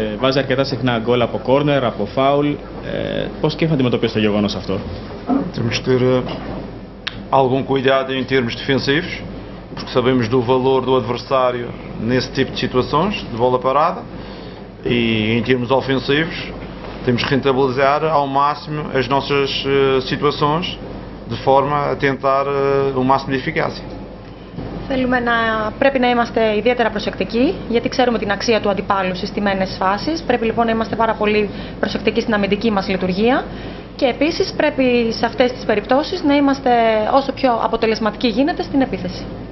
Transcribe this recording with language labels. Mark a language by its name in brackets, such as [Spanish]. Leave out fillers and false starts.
[Greek] Βάζει αρκετά συχνά γκολ από κόρνερ, από φάουλ. Πώς και έχει αντιμετωπίσει το γεγονός αυτό? [Portuguese] Temos ter algum cuidado em termos defensivos, porque sabemos do valor do adversário nesse tipo de situações, de bola parada. E em termos ofensivos, temos que rentabilizar ao máximo as nossas situações, de forma a tentar o máximo de eficácia. [Greek] Πρέπει να είμαστε ιδιαίτερα προσεκτικοί, γιατί ξέρουμε την αξία του αντιπάλου στις στιμένες φάσεις. Πρέπει λοιπόν να είμαστε πάρα πολύ προσεκτικοί στην αμυντική μας λειτουργία. Και επίσης πρέπει σε αυτές τις περιπτώσεις να είμαστε όσο πιο αποτελεσματικοί γίνεται στην επίθεση.